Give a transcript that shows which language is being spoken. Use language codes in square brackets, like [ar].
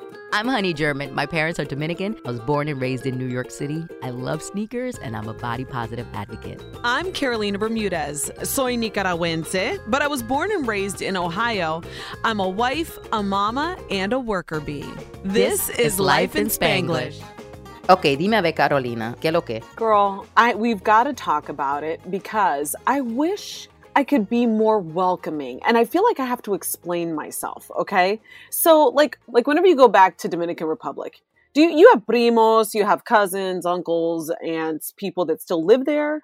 [en] I'm Honey German. My parents are Dominican. I was born and raised in New York City. I love sneakers, and I'm a body positive advocate. I'm Carolina Bermudez. [es] Soy Nicaragüense, [en] but I was born and raised in Ohio. I'm a wife, a mama, and a worker bee. This is Life in Spanglish. [es] Okay, dime a ver, Carolina, ¿qué lo que? [en] Girl, we've got to talk about it because I wish I could be more welcoming and I feel like I have to explain myself, okay? So, like whenever you go back to Dominican Republic, you have primos, you have cousins, uncles, aunts, people that still live there.